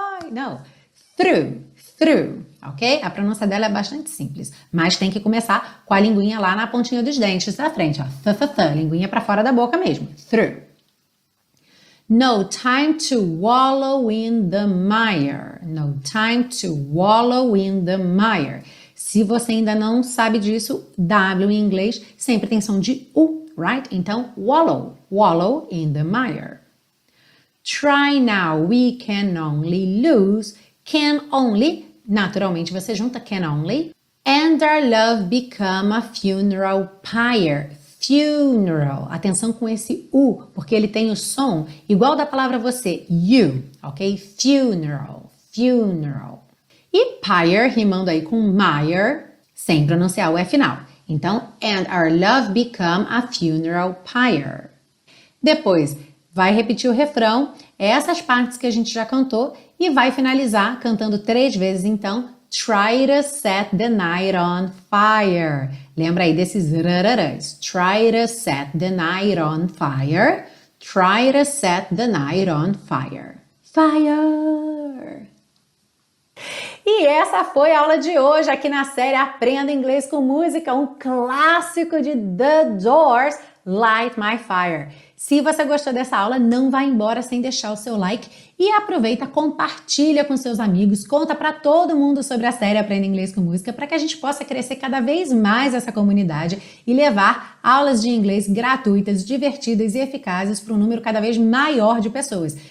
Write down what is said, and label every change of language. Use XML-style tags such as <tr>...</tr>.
<pt>Não, through, ok? A pronúncia dela é bastante simples, mas tem que começar com a linguinha lá na pontinha dos dentes da frente, ó. Linguinha para fora da boca mesmo.</pt> <en>Through. No time to wallow in the mire. No time to wallow in the mire.</en> <pt>Se você ainda não sabe disso, W em inglês sempre tem som de U, right?</pt> <en>Então, wallow in the mire. Try now, we can only lose.</en> <pt>Can only, naturalmente você junta can only.</pt> <en>And our love become a funeral pyre.</en> <pt>Funeral. Atenção com esse U, porque ele tem o som igual da palavra você, you, ok? Funeral, funeral. E pyre, rimando aí com mire, sem pronunciar o E final.</pt> <en>Então, and our love become a funeral pyre.</en> <pt>Depois, vai repetir o refrão. Essas partes que a gente já cantou e vai finalizar cantando três vezes, então,</pt> <en>try to set the night on fire.</en> <pt>Lembra aí desses rararãs.</pt> <en>Try to set the night on fire. Try to set the night on fire. Fire!</en> <pt>E essa foi a aula de hoje aqui na série Aprenda Inglês com Música, um clássico de The Doors, Light My Fire. Se você gostou dessa aula, não vá embora sem deixar o seu like e aproveita, compartilha com seus amigos, conta para todo mundo sobre a série Aprenda Inglês com Música, para que a gente possa crescer cada vez mais essa comunidade e levar aulas de inglês gratuitas, divertidas e eficazes para um número cada vez maior de pessoas.</pt>